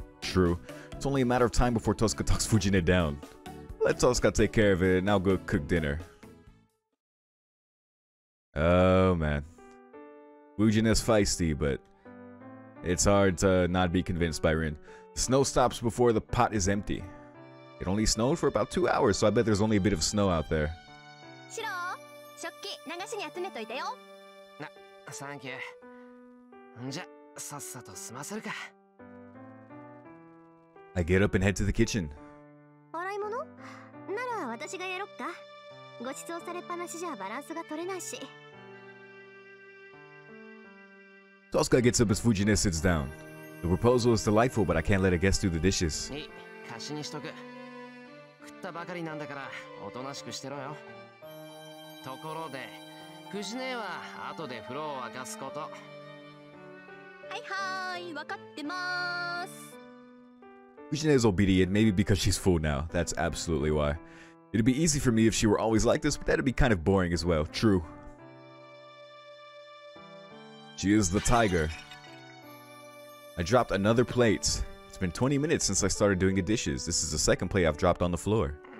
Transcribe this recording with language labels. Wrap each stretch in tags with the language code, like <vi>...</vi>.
<en>True. It's only a matter of time before Tosca talks Fujine down. Let Tosca take care of it and I'll go cook dinner. Oh man. Fujine's feisty, but it's hard to not be convinced by Rin. Snow stops before the pot is empty.It only snowed for about 2 hours, so I bet there's only a bit of snow out there.</en> <ja>シロー、食器流しに集めといたよ。な、サンキュー。んじゃ、さっさと済ませるか。</ja> <en>I get up and head to the kitchen.</en> <ja>洗い物？なら私がやろっか。ごちそうされっぱなしじゃバランスが取れないし。</ja> <en>Tosca gets up as Fujine sits down. The proposal is delightful, but I can't let a guest do the dishes.</en> <ja>いい、貸しにしとく。食ったばかりなんだから、おとなしくしてろよ。ところで、フジネは後で風呂を沸かすこと。はいはい、わかってます。</ja> <en>Fujine is obedient, maybe because she's full now. That's absolutely why. It'd be easy for me if she were always like this, but that'd be kind of boring as well. True. She is the tiger. I dropped another plate. It's been 20 minutes since I started doing the dishes. This is the second plate I've dropped on the floor.</en>